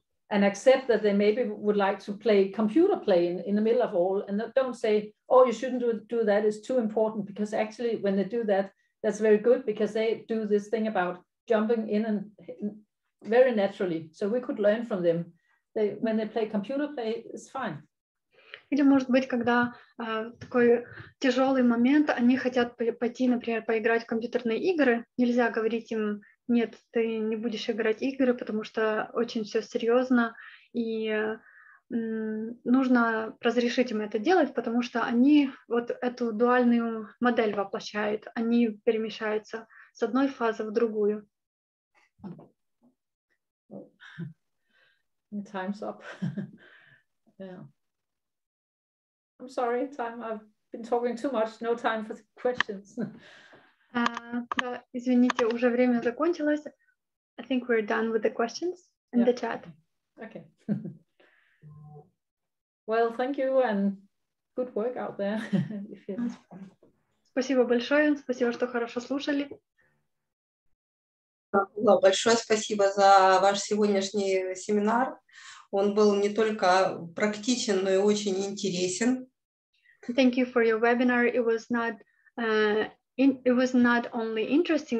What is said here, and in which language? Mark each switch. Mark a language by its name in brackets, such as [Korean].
[English] And accept that they maybe would like to play computer play in the middle of all, and don't say, oh, you shouldn't do that, it's too important, because actually when they do that, that's very good, because they do this thing about jumping in and very naturally. So we could learn from them. When they play computer play, it's fine. [Russian] Или, может быть, когда такой тяжелый момент, они хотят пойти, например, поиграть в компьютерные игры, нельзя говорить им, нет, ты не будешь играть игры, потому что очень все серьезно, и нужно разрешить им это делать, потому что они вот эту дуальную модель воплощают, они перемещаются с одной фазы в другую. [English] Time's up. Yeah. I'm sorry, time. I've been talking too much. No time for questions. [Russian] Да, извините, уже время закончилось. [English] I think we're done with the questions in the chat. Okay. Well, thank you and good work out there. If you... [Russian] Спасибо большое. Спасибо, что хорошо слушали. Большое спасибо за ваш сегодняшний семинар. Он был не только практичен, но и очень интересен. [English] Thank you for your webinar. It was not... It was not only interesting.